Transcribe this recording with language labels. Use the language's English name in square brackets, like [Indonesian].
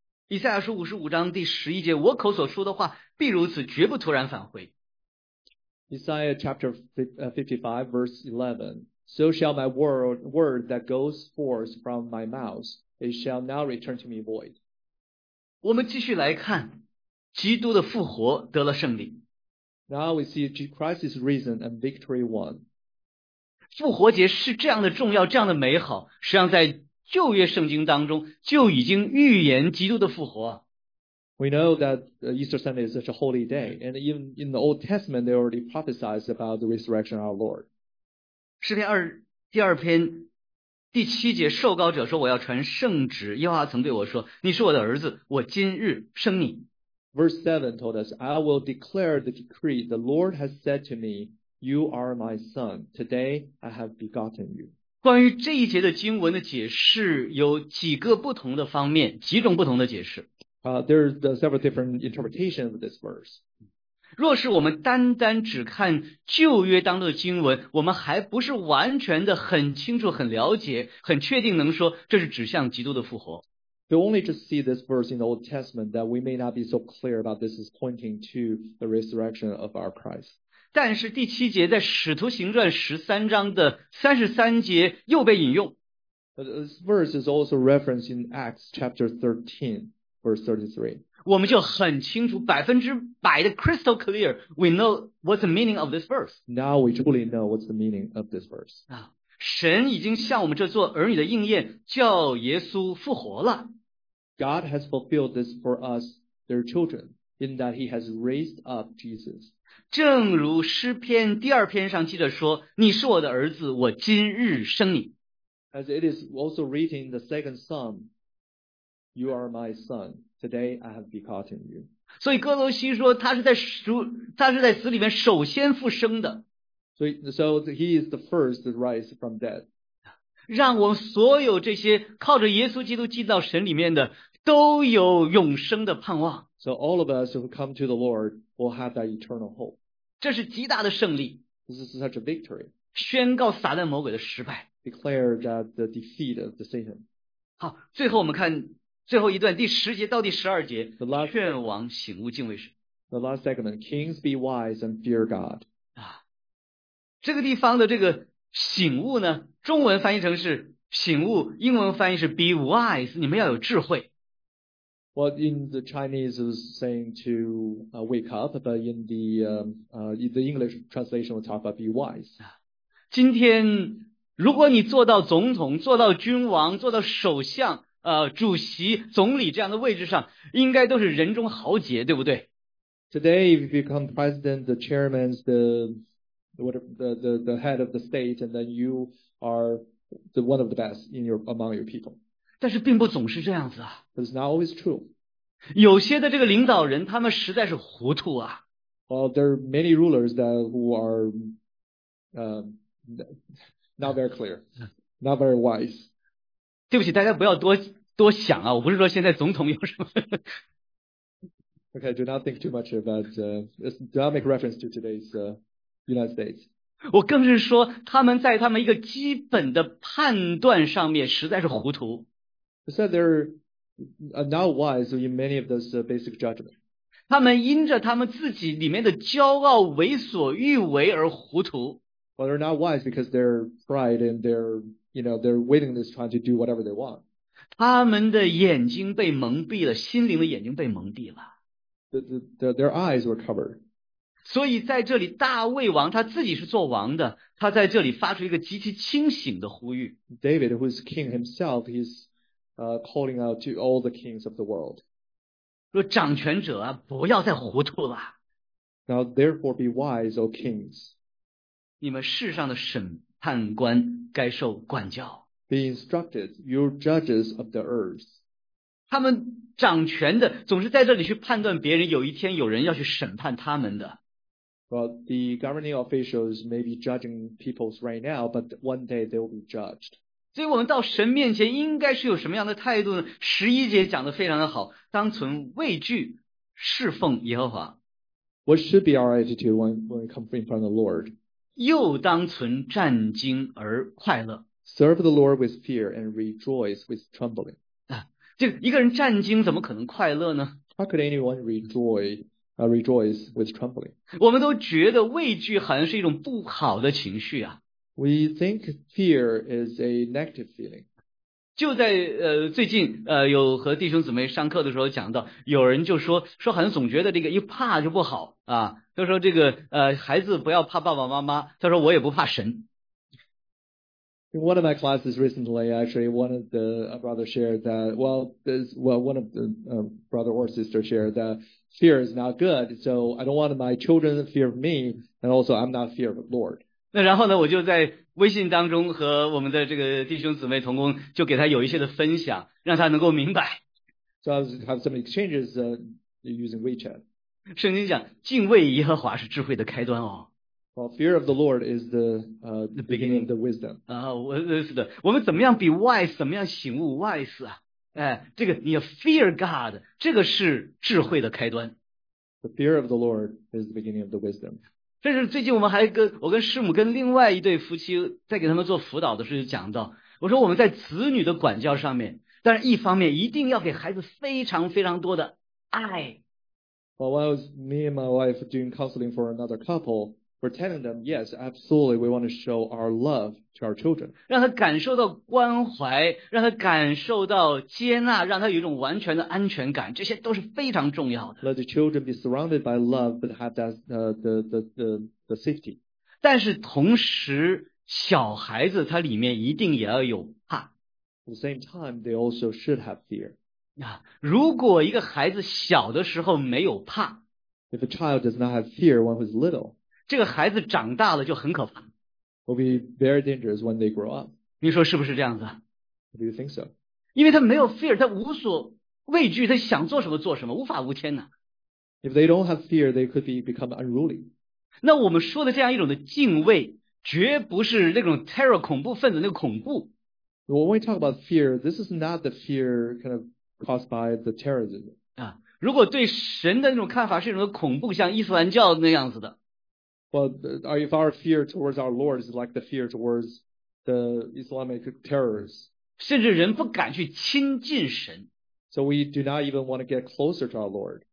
[Chinese] 以赛亚书五十五章第十一节，我口所说的话必如此，绝不突然返回。 [English] Isaiah chapter 55 verse 11, so shall my word that goes forth from my mouth, it shall now return to me void. [Chinese] 我们继续来看，基督的复活得了胜利。 [English] Now we see Christ is risen and victory won. [Chinese] 复活节是这样的重要，这样的美好，实际上在旧约圣经当中就已经预言基督的复活。 [English] We know that Easter Sunday is such a holy day, and even in the Old Testament, they already prophesied about the resurrection of our Lord. [Chinese] 诗篇二第二篇第七节，受膏者说：“我要传圣旨。” 耶和华曾对我说：“你是我的儿子，我今日生你。” [English] Verse 7 told us, "I will declare the decree. The Lord has said to me, 'You are my son. Today I have begotten you.'" [Chinese] 关于这一节的经文的解释有几个不同的方面，几种不同的解释。 [English] There are several different interpretations of this verse. [Chinese] 若是我们单单只看旧约当中的经文，我们还不是完全的很清楚、很了解、很确定能说这是指向基督的复活。 [English] We only just see this verse in the Old Testament that we may not be so clear about this is pointing to the resurrection of our Christ. [Chinese] 但是第七节在使徒行传十三章的三十三节又被引用。 [English] This verse is also referenced in Acts chapter 13. Verse 33. [Chinese] 我们就很清楚，百分之百的 [English] crystal clear. We know what's the meaning of this verse. Now we truly know what's the meaning of this verse. [Chinese] 啊，神已经向我们这做儿女的应验，叫耶稣复活了。 [English] God has fulfilled this for us, their children, in that He has raised up Jesus. [Chinese] 正如诗篇第二篇上记着说，你是我的儿子，我今日生你。 [English] As it is also written in the second Psalm. You are my son. Today I have begotten you. [Chinese] 所以哥罗西说他是在死里面首先复生的。 [English] So he is the first to rise from death. [Chinese] 让我们所有这些靠着耶稣基督进到神里面的都有永生的盼望。 [English] So all of us who come to the Lord will have that eternal hope. [Chinese] 这是极大的胜利。 [English] This is such a victory. [Chinese] 宣告撒旦魔鬼的失败。 [English] Declare that the defeat of the Satan. [Chinese] 好，最后我们看最后一段第十节到第十二节，劝王醒悟敬畏神。 [English] The last segment, kings be wise and fear God. [Chinese] 啊，这个地方的这个醒悟呢，中文翻译成是醒悟，英文翻译是 [English] be wise. [Chinese] 你们要有智慧。 [English] Well, in the Chinese is saying to wake up, but in the English translation, we talk about be wise. [Chinese] 今天如果你做到总统，做到君王，做到首相。主席总理这样的位置上应该都是人中豪杰，对不对？ [English] Today if you become president, the chairman, the head of the state, and then you are the one of the best in your, among your people. [Chinese] 但是并不总是这样子啊。 [English] But it's not always true. [Chinese] 有些的这个领导人他们实在是糊涂啊。 [English] Well, there are many rulers that who are not very clear, not very wise. [Chinese] 对不起，大家不要多想啊！我不是说现在总统有什么。 [English] Okay, do not think too much about. Do not make reference to today's United States. [Chinese] 我更是说，他们在他们一个基本的判断上面实在是糊涂。 [English] I said they're not wise in many of those basic judgments. [Chinese] 他们因着他们自己里面的骄傲、为所欲为而糊涂。 [English] Well, they're not wise because their pride and their. You know, they're waiting this time to do whatever they want. [Chinese] 他们的眼睛被蒙蔽了，心灵的眼睛被蒙蔽了。 [English] Their eyes were covered. [Chinese] 所以在这里大卫王他自己是做王的，他在这里发出一个极其清醒的呼吁。 [English] David, who is king himself, he's calling out to all the kings of the world. [Chinese] 说掌权者啊，不要再糊涂了。 [English] Now therefore be wise, O kings. [Chinese] 你们世上的审判官该受管教。 [English] Be instructed, you judges of the earth. [Chinese] 他们掌权的总是在这里去判断别人，有一天有人要去审判他们的。 [English] Well, the governing officials may be judging peoples right now, but one day they will be judged. [Chinese] 所以我们到神面前应该是有什么样的态度呢？十一节讲得非常的好，当存畏惧，侍奉耶和华。 [English] What should be our attitude when we come in front of the Lord? [Chinese] 又当存战惊而快乐。 [English] Serve the Lord with fear and rejoice with trembling. [Chinese] 就一个人战惊怎么可能快乐呢？ [English] How could anyone rejoice with trembling? [Chinese] 我们都觉得畏惧好像是一种不好的情绪啊。 [English] We think fear is a negative feeling. [Chinese] 就在最近有和弟兄姊妹上课的时候讲到，有人就说好像总觉得这个一怕就不好啊，他说这个孩子不要怕爸爸妈妈，他说我也不怕神。 [English] In one of my classes recently, actually, one of the brother shared that, one of the brother or sister shared that fear is not good, so I don't want my children to fear of me, and also I'm not fear of the Lord. [Chinese] 那然后呢，我就在微信当中和我们的这个弟兄姊妹同工就给他有一些的分享，让他能够明白。 [English] So I have some exchanges using WeChat. [Chinese] 圣经讲，敬畏耶和华是智慧的开端哦。 [English] Well, fear of the Lord is the beginning of the wisdom. [Chinese] 啊，我是的，我们怎么样 [English] be wise， [Chinese] 怎么样醒悟 wise 啊？哎，这个你要 [English] fear God， [Chinese] 这个是智慧的开端。 [English] The fear of the Lord is the beginning of the wisdom. [Chinese] 甚至最近我们还跟我跟师母跟另外一对夫妻在给他们做辅导的时候讲到，我说我们在子女的管教上面，但是一方面一定要给孩子非常非常多的爱。 [English] Well, while me and my wife doing counseling for another couple. For telling them, yes, absolutely, we want to show our love to our children. [Chinese] 让他感受到关怀，让他感受到接纳，让他有一种完全的安全感，这些都是非常重要的。 [English] Let the children be surrounded by love, but have that, the safety. [Chinese] 但是同时，小孩子他里面一定也要有怕。 [English] At the same time, they also should have fear. [Chinese] 如果一个孩子小的时候没有怕， [English] If a child does not have fear when he's little, [Chinese] 这个孩子长大了就很可怕。 [English] Will be very dangerous when they grow up. [Chinese] 你说是不是这样子？ [English] Do you think so? [Chinese] 因为他没有 fear， 他无所畏惧，他想做什么做什么，无法无天呢。 [English] If they don't have fear, they could become unruly. [Chinese] 那我们说的这样一种的敬畏，绝不是那种 terror 恐怖分子那个恐怖。 [English] When we talk about fear, this is not the fear kind of caused by the terrorism. [Chinese] 如果对神的那种看法是一种恐怖，像伊斯兰教那样子的。 [English] Well, if our fear towards our Lord is like the fear towards the Islamic terrorists, [Chinese] 甚至人不敢去亲近神。 [English] So we do not even want to get closer to our Lord.